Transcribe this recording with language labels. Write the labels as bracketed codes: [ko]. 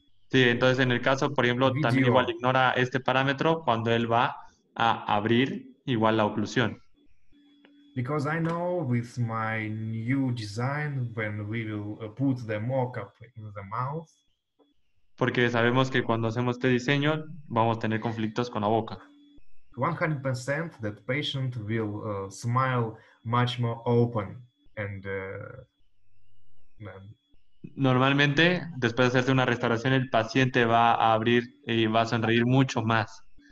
[es] Sí, entonces en el caso, por ejemplo, video. También igual ignora este parámetro cuando él va a abrir igual la oclusión. [en] Because I know with my new design when we will put the mock-up in the mouth. [es] Porque sabemos que cuando hacemos este diseño vamos a tener conflictos con la boca. [en] 100% that patient will smile much more open and [es] normalmente después de hacerse una restauración el paciente va a abrir y va a sonreír mucho más.